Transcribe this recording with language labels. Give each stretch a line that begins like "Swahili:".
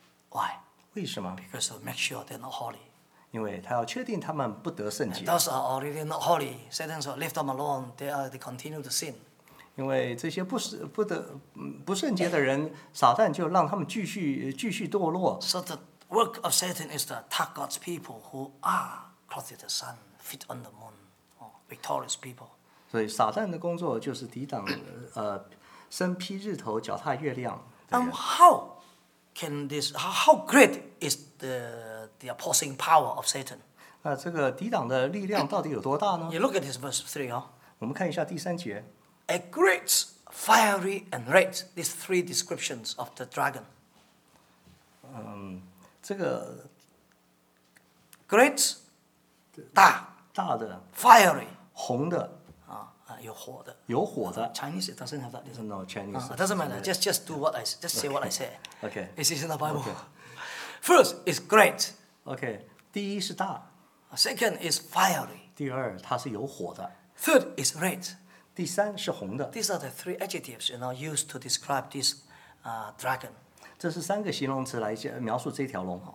English: ，Why？
Chinese: 为什么
English: ？Because to make sure they're not holy。
Chinese: 因为他要确定他们不得圣洁。
English: And、those are already not holy. Satan said, "Leave them alone. They are they continue to sin."
Chinese: 因为这些不圣洁的人，撒旦就让他们继续堕落。
English: So the work of Satan is to attack God's people who are clothed with the sun, feet on the moon, victorious people.
Chinese: 所以撒旦的工作就是抵挡身披日头，脚踏月亮。
English: And how can this? How great is the opposing power of Satan?
Chinese: 那这个抵挡的力量到底有多大呢
English: ？You look at this verse 3哦。
Chinese: 我们看一下第三节。
English: A great, fiery, and red. These three descriptions of the dragon.
Chinese: 这个
English: great 大
Chinese: 大的
English: fiery
Chinese: 红的。有火的，有火的。
English: Chinese it doesn't have that. Doesn't know Chinese. It doesn't matter. Just do what I just say what I say. Okay. It's in the Bible. Okay. First is great.
Chinese: Okay. 第一是大。
English: Second is fiery.
Chinese: 第二，它是有火的。
English: Third is red.
Chinese: 第三是红的。
English: These are the three adjectives you know used to describe this, dragon.
Chinese: 这是三个形容词来描述这条龙。